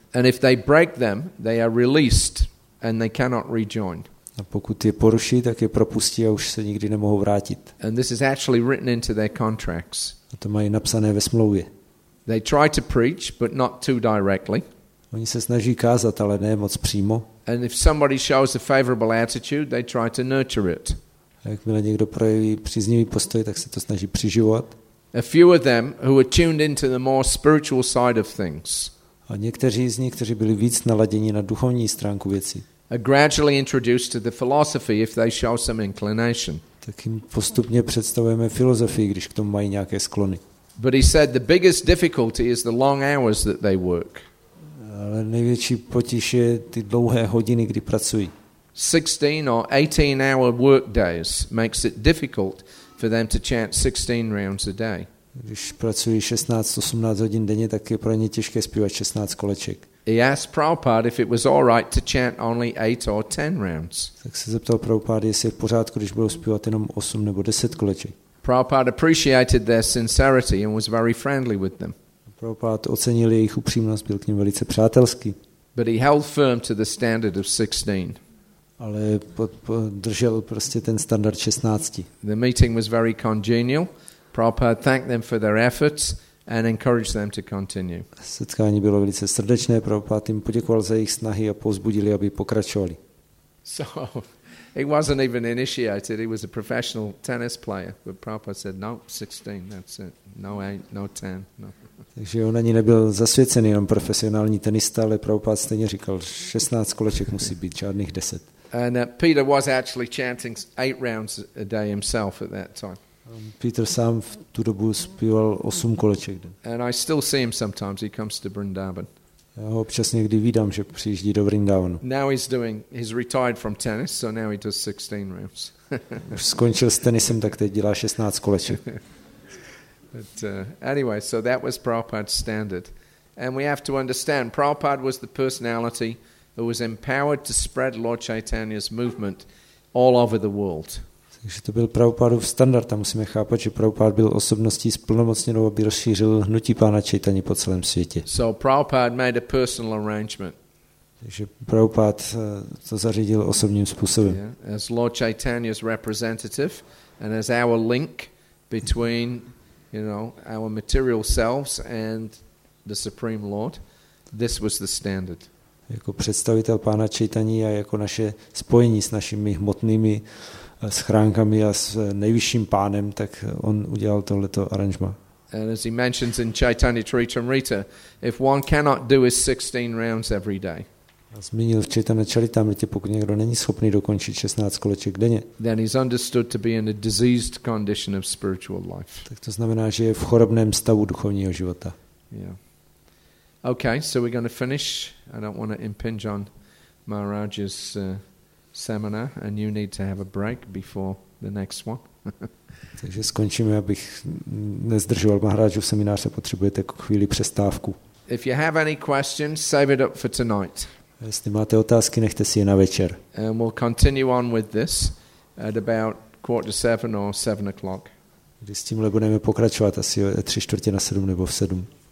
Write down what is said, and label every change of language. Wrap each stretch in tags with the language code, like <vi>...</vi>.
<en>And if they break them, they are released and they cannot rejoin.</en> <cs>A pokud je poruší, tak je propustí a už se nikdy nemohou vrátit.</cs> <en>And this is actually written into their contracts.</en> <cs>A to mají napsané ve smlouvě.</cs> <en>They try to preach, but not too directly.</en> <cs>Oni se snaží kázat, ale ne moc přímo.</cs> <en>And if somebody shows a favorable attitude, they try to nurture it.</en> <cs>A jakmile někdo projeví příznivý postoj, tak se to snaží přiživovat.</cs> <en>A few of them who were tuned into the more spiritual side of things.</en> <cs>A někteří z nich, kteří byli víc naladěni na duchovní stránku věcí.</cs> <en>A gradually introduced to the philosophy if they show some inclination.</en> <cs>Tak jim postupně představujeme filozofii, když k tomu mají nějaké sklony.</cs> <en>But he said the biggest difficulty is the long hours that they work.</en> <cs>Ale největší potíž je ty dlouhé hodiny, kdy pracují.</cs> <en>16 or 18 hour work days makes it difficult for them to chant 16 rounds a day.</en> <cs>Když pracují 16-18 hodin denně, tak je pro ně těžké zpívat 16 koleček.</cs> <en>He asked Prabhupada if it was all right to chant only 8 or 10 rounds.</en> <cs>Tak se zeptal Prabhupada, jestli je v pořádku, když budou zpívat jenom 8 nebo 10 koleček.</cs> <en>Prabhupada appreciated their sincerity and was very friendly with them.</en> <cs>Prabhupada ocenil jejich upřímnost, byl k ním velice přátelský.</cs> <en>But he held firm to the standard of 16.</en> <cs>Ale držel prostě ten standard 16.</cs> <en>The meeting was very congenial. Prabhupada thanked them for their efforts and encouraged them to continue.</en> <cs>Setkání bylo velice srdečné. Prabhupada jim poděkoval za jejich snahy a povzbudili, aby pokračovali.</cs> <en>So, he wasn't even initiated. He was a professional tennis player, but Prabhupada said, "No, 16. That's it. No 8, no 10." No.</en> <cs>Takže on ani nebyl zasvěcený, jenom profesionální tenista, ale Prabhupada stejně říkal, 16 koleček musí být, žádných 10.</cs> <en>And Peter was actually chanting 8 rounds a day himself at that time.</en> <cs>Peter sám v tu dobu zpíval 8 koleček.</cs> <en>And I still see him sometimes, he comes to Vrindavan.</en> <cs>Já ho občas někdy vidím, že přijíždí do Vrindavanu.</cs> <en>Now he's retired from tennis, so now he does 16 rounds.</en> <cs>Už skončil s tenisem, tak teď dělá 16 koleček.</cs> <en>But anyway, so that was Prabhupada's standard. And we have to understand, Prabhupada was the personality who was empowered to spread Lord Chaitanya's movement all over the world.</en> <cs>Takže to byl Prabhupádův standard a musíme chápat, že Prabhupád byl osobností splnomocněnou, aby rozšířil hnutí Pána Chaitany po celém světě.</cs> <en>So Prabhupada made a personal arrangement.</en> <cs>Takže Prabhupád to zařídil osobním způsobem.</cs> <en>As Lord Chaitanya's representative and as our link between, you know, our material selves and the Supreme Lord, this was the standard.</en> <cs>Jako představitel pána Chaitany a jako naše spojení s našimi hmotnými schránkami a s nejvyšším pánem, tak on udělal tohleto aranžma.</cs> <en>And as he mentions in Chaitanya Charitamrita, if one cannot do his 16 rounds every day,</en> <cs>zmínil v Chaitanya Charitamritě, pokud někdo není schopný dokončit 16 koleček denně,</cs> <en>then he's understood to be in a diseased condition of spiritual life.</en> <cs>Tak to znamená, že je v chorobném stavu duchovního života.</cs> <en>Yeah. Okay, so we're going to finish. I don't want to impinge on Maharaj's seminar, and you need to have a break before the next one.</en> <cs>Takže skončíme, abych nezdržoval Maharaju v semináře, potřebujete chvíli přestávku.</cs> <en>If you have any questions, save it up for tonight.</en> <cs>Jestli máte otázky, nechte si je na večer.</cs> <en>And we'll continue on with this at about 6:45 or 7:00.</en> <cs>Když s tímhle budeme pokračovat asi 6:45 or 7:00.</cs>